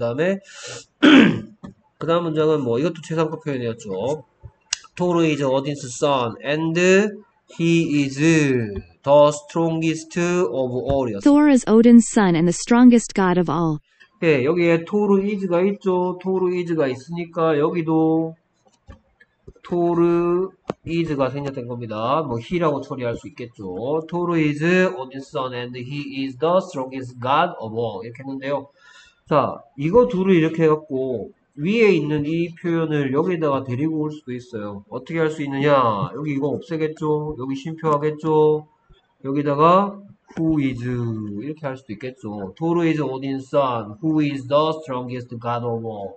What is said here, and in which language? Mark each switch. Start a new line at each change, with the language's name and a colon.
Korean: 그 다음에, 그 다음 문장은 뭐, 이것도 최상급 표현이었죠.
English: Thor is Odin's son, and he is the strongest of all
Korean: 이었어요.
English: Thor is Odin's son and the strongest god of all.
Korean: 예, 여기에 토르 이즈가 있죠. 토르 이즈가 있으니까 여기도 토르 이즈가 생략된 겁니다. 뭐 히라고 처리할 수 있겠죠.
English: 토르 이즈 Odin's son and he is the strongest god of all.
Korean: 이렇게 했는데요. 자, 이거 둘을 이렇게 해갖고 위에 있는 이 표현을 여기에다가 데리고 올 수도 있어요. 어떻게 할수 있느냐? 여기 이거 없애겠죠. 여기 쉼표 하겠죠. 여기다가
English: who is
Korean: 이렇게 할 수도 있겠죠.
English: 토르 is Odin's son. Who is the strongest god of all?